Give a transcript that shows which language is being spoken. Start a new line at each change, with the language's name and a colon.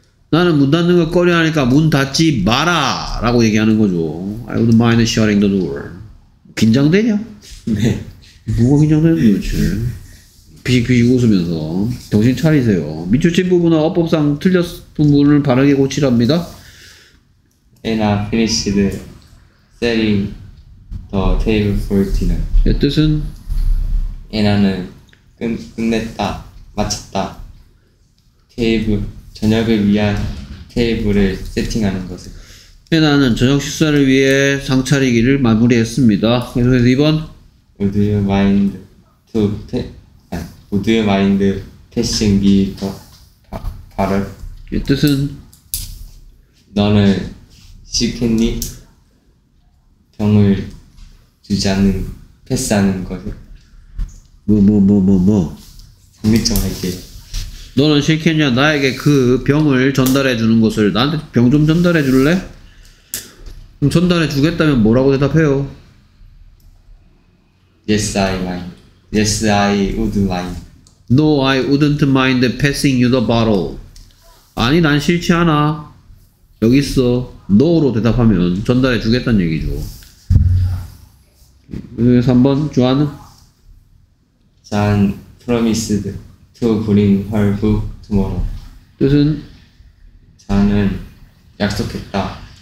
Korean: 나는 문 닫는 걸 꺼려하니까 문 닫지 마라! 라고 얘기하는 거죠.
English: I would mind shutting the door.
Korean: 긴장되냐? 네. 뭐가 긴장되는 거지? 비식비식 웃으면서. 정신 차리세요. 미추친 부분은 어법상 틀렸던 부분을 바르게 고치랍니다.
English: And I finished setting the table for dinner.
Korean: 예, 뜻은? 에나는 끝냈다, 마쳤다. 테이블, 저녁을 위한 테이블을 세팅하는 것을. 에나는 저녁 식사를 위해 상 차리기를 마무리했습니다. 계속해서 2번.
English: Would you mind to pass? Would you mind passing me the butter?
Korean: 예, 뜻은? 너는 시켰니? 병을 주지 않는, 패스하는 것을. 뭐? 장미처 할게요. 너는 싫겠냐? 나에게 그 병을 전달해 주는 것을. 나한테 병 좀 전달해 줄래? 그럼 전달해 주겠다면 뭐라고 대답해요?
English: Yes, I mind. Yes, I would mind. No, I wouldn't mind passing you the bottle.
Korean: 아니, 난 싫지 않아. 여기 있어. No로 대답하면 전달해 주겠다는 얘기죠. 3번, 주안은?
English: John promised to bring her book tomorrow.
Korean: 뜻은? John은 약속했다.